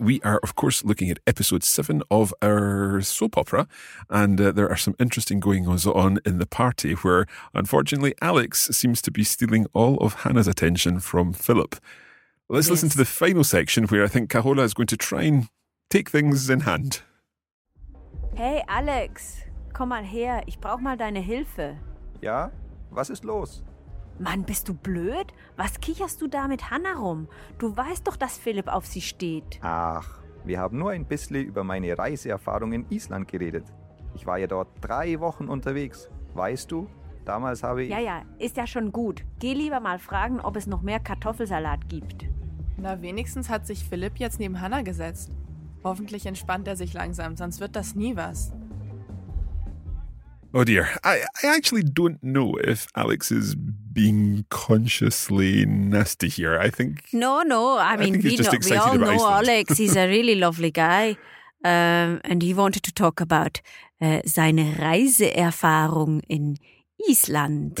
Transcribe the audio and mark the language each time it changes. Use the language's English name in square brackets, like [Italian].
[English] We are, of course, looking at episode 7 of our soap opera, and there are some interesting goings on in the party where, unfortunately, Alex seems to be stealing all of Hannah's attention from Philip. Let's listen to the final section where I think Carola is going to try and take things in hand. [German] Hey, Alex, komm mal her. Ich brauch mal deine Hilfe. Ja? Was ist los? Mann, bist du blöd? Was kicherst du da mit Hannah rum? Du weißt doch, dass Philipp auf sie steht. Ach, wir haben nur ein bisschen über meine Reiseerfahrung in Island geredet. Ich war ja dort 3 Wochen unterwegs. Weißt du, damals habe ich... Ja, ist ja schon gut. Geh lieber mal fragen, ob es noch mehr Kartoffelsalat gibt. Na, wenigstens hat sich Philipp jetzt neben Hannah gesetzt. Hoffentlich entspannt er sich langsam, sonst wird das nie was. [English] Oh dear, I actually don't know if Alex is being consciously nasty here. I think... No. We all know Alex. He's a really lovely guy. And he wanted to talk about [German] seine Reiseerfahrung in Island.